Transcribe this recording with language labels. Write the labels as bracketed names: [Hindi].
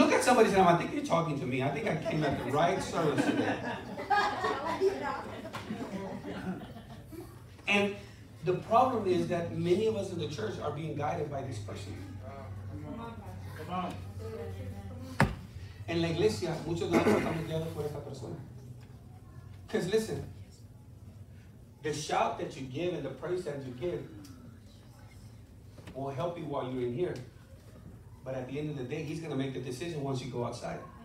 [English] Look at somebody saying, I think you're talking to me. I think I came at the right service today. And the problem is that many of us in the church are being guided by this person. Come on. [Spanish] En la iglesia, muchos de nosotros estamos guiados por esta persona. [English] Because listen, the shout that you give and the praise that you give will help you while you're in here. But at the end of the day, he's going to make the decision once you go outside.